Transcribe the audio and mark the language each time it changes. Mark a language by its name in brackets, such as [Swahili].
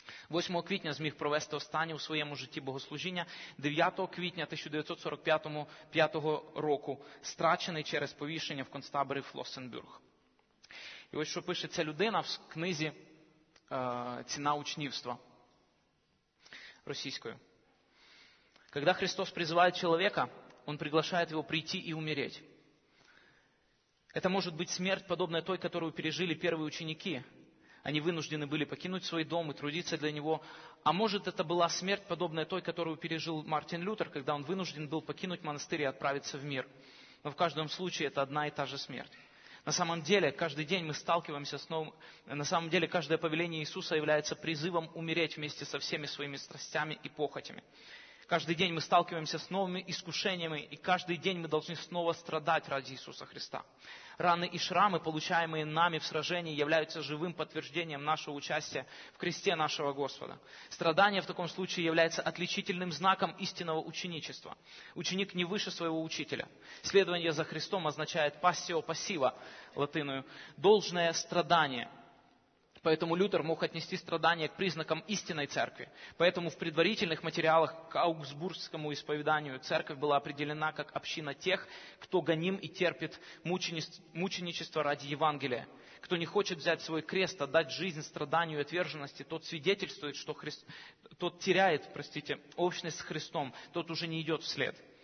[Ukrainian] 8 квітня зміг провести останнє у своєму житті богослужіння. 9 квітня 1945 року страчений через повішення в концтаборі Флоссенбюрг. І ось що пише ця людина в книзі «Ціна учнівства» російською. [Russian] «Когда Христос призывает человека, он приглашает его прийти и умереть. Это может быть смерть, подобная той, которую пережили первые ученики». Они вынуждены были покинуть свой дом и трудиться для него. А может, это была смерть, подобная той, которую пережил Мартин Лютер, когда он вынужден был покинуть монастырь и отправиться в мир. Но в каждом случае это одна и та же смерть. На самом деле, каждый день мы сталкиваемся с новым... На самом деле, каждое повеление Иисуса является призывом умереть вместе со всеми своими страстями и похотями. Каждый день мы сталкиваемся с новыми искушениями, и каждый день мы должны снова страдать ради Иисуса Христа. Раны и шрамы, получаемые нами в сражении, являются живым подтверждением нашего участия в кресте нашего Господа. Страдание в таком случае является отличительным знаком истинного ученичества. Ученик не выше своего учителя. Следование за Христом означает «passio passiva» латиною, «должное страдание». Поэтому Лютер мог отнести страдания к признакам истинной церкви. Поэтому в предварительных материалах к Аугсбургскому исповеданию церковь была определена как община тех, кто гоним и терпит мученичество ради Евангелия. Кто не хочет взять свой крест, отдать жизнь страданию и отверженности, тот свидетельствует, что тот теряет, простите, общность с Христом, тот уже не идет вслед.